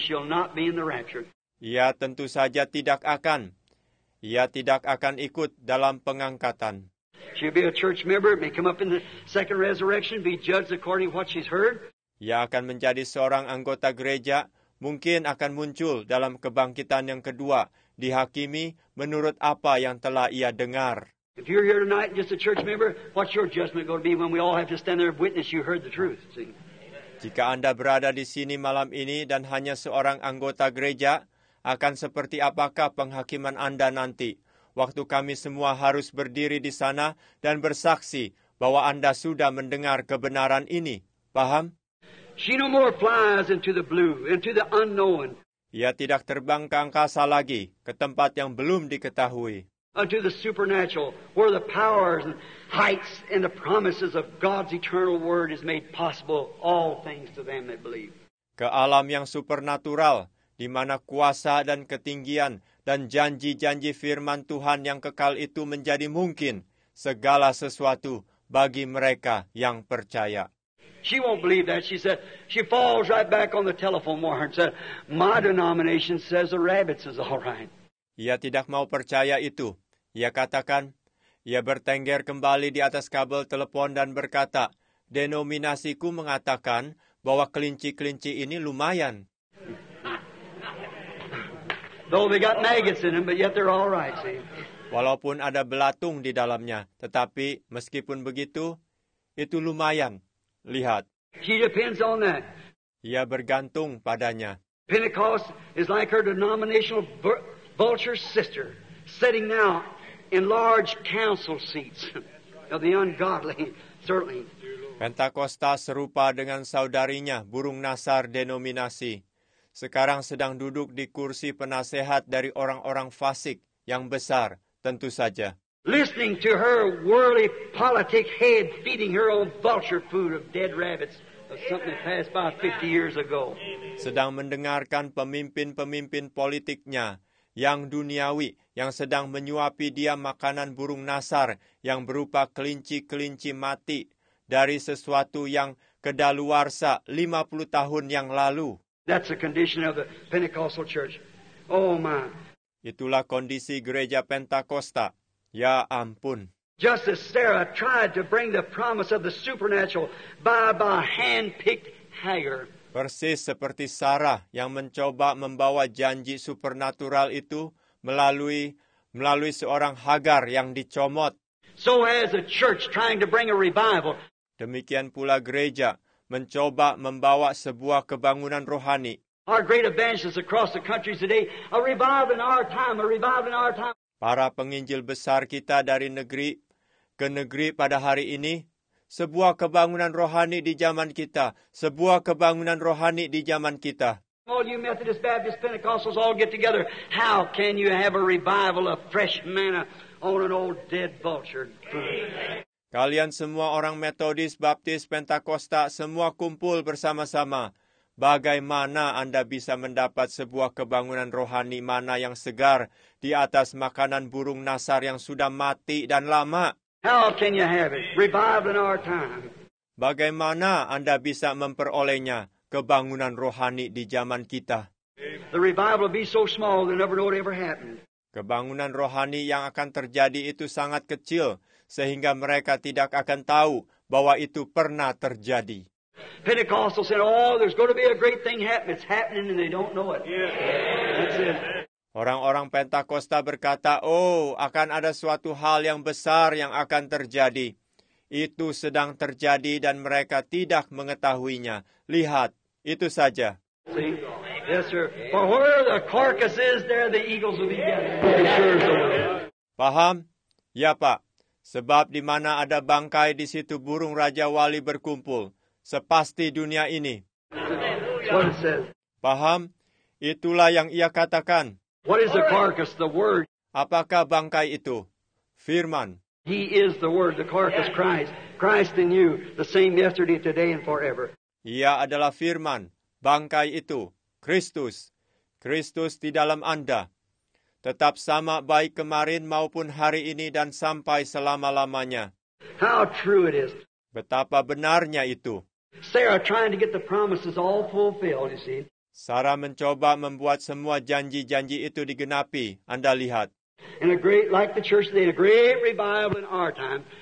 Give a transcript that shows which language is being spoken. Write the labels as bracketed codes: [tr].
[en] She'll not be in the rapture. [id] Ia tentu saja tidak akan. Ia tidak akan ikut dalam pengangkatan. [en] She'll be a church member. May come up in the second resurrection. Be judged according to what she's heard. [id] Ia akan menjadi seorang anggota gereja. Mungkin akan muncul dalam kebangkitan yang kedua. Dihakimi menurut apa yang telah ia dengar. [en] If you're here tonight just a church member, what's your judgment going to be when we all have to stand there and witness you heard the truth? See? [id] Jika Anda berada di sini malam ini dan hanya seorang anggota gereja, akan seperti apakah penghakiman Anda nanti? Waktu kami semua harus berdiri di sana dan bersaksi bahwa Anda sudah mendengar kebenaran ini. Paham? [en] She no more flies into the blue, into the unknown. [id] Ia tidak terbang ke angkasa lagi, ke tempat yang belum diketahui. [en] Unto the supernatural, where the powers and heights and the promises of God's eternal word is made possible, all things to them that believe. [id] Ke alam yang supernatural, di mana kuasa dan ketinggian dan janji-janji firman Tuhan yang kekal itu menjadi mungkin, segala sesuatu bagi mereka yang percaya. [en] She won't believe that. She said, she falls right back on the telephone wire and said, my denomination says the rabbits is all right. [id] Ia tidak mau percaya itu. Ia katakan, ia bertengger kembali di atas kabel telepon dan berkata, denominasiku mengatakan bahwa kelinci-kelinci ini lumayan. [en] Though they got maggots in them, but yet they're all right, see? [id] Walaupun ada belatung di dalamnya, tetapi meskipun begitu, itu lumayan. Lihat. [en] She depends on that. [id] Ia bergantung padanya. [en] Pentecost is like her denominational vulture sister, sitting now in large council seats of the ungodly, certainly. [id] Pentakosta serupa dengan saudarinya, burung nasar denominasi. Sekarang sedang duduk di kursi penasehat dari orang-orang fasik yang besar, tentu saja. [en] Listening to her worldly politic head feeding her own vulture food of dead rabbits. Something that passed by 50 years ago. [id] Sedang mendengarkan pemimpin-pemimpin politiknya yang duniawi, yang sedang menyuapi dia makanan burung nasar yang berupa kelinci-kelinci mati dari sesuatu yang kedaluwarsa 50 tahun yang lalu. [en] That's the condition of the Pentecostal church. Oh my. [id] Itulah kondisi gereja Pentakosta. Ya ampun. [en] Just as Sarah tried to bring the promise of the supernatural by hand-picked Hagar. [id] Persis seperti Sarah yang mencoba membawa janji supernatural itu melalui seorang Hagar yang dicomot. [en] So has the church trying to bring a revival. [id] Demikian pula gereja mencoba membawa sebuah kebangunan rohani. [en] Our great evangelists across the country today, a revival in our time, a revival in our time. [id] Para penginjil besar kita dari negeri ke negeri pada hari ini, sebuah kebangunan rohani di zaman kita. Sebuah kebangunan rohani di zaman kita. [en] All you Methodist, Baptist, Pentecostals all get together. How can you have a revival of fresh manna on an old dead vulture? [id] Kalian semua orang Metodis, Baptis, Pentakosta, semua kumpul bersama-sama. Bagaimana Anda bisa mendapat sebuah kebangunan rohani mana yang segar di atas makanan burung nasar yang sudah mati dan lama? [en] How can you have it? Revival in our time. [id] Bagaimana Anda bisa memperolehnya, kebangunan rohani di zaman kita? [en] The revival will be so small that never know it ever happened. [id] Kebangunan rohani yang akan terjadi itu sangat kecil, sehingga mereka tidak akan tahu bahwa itu pernah terjadi. [en] Pentecostal said, oh, there's going to be a great thing happening. It's happening and they don't know it. That's it. [id] Orang-orang Pentakosta berkata, oh, akan ada suatu hal yang besar yang akan terjadi. Itu sedang terjadi dan mereka tidak mengetahuinya. Lihat, itu saja. [en] Yes, sir. For where the carcass is, there the eagles will be gathered. Sure, so. [id] Paham? Ya, Pak. Sebab di mana ada bangkai, di situ burung Raja Wali berkumpul. Sepasti dunia ini. Paham? Itulah yang ia katakan. [en] What is the carcass? The word. [id] Apakah bangkai itu? Firman. [en] He is the word, the carcass, Christ. Christ in you, the same yesterday, today, and forever. [id] Ia adalah firman, bangkai itu, Kristus. Kristus di dalam Anda. tetap sama baik kemarin maupun hari ini dan sampai selama-lamanya. [en] How true it is. [id] Betapa benarnya itu. [en] Sarah trying to get the promises all fulfilled, you see. [id] Sarah mencoba membuat semua janji-janji itu digenapi, Anda lihat. [en] And a great, like the church did, a great revival in our time.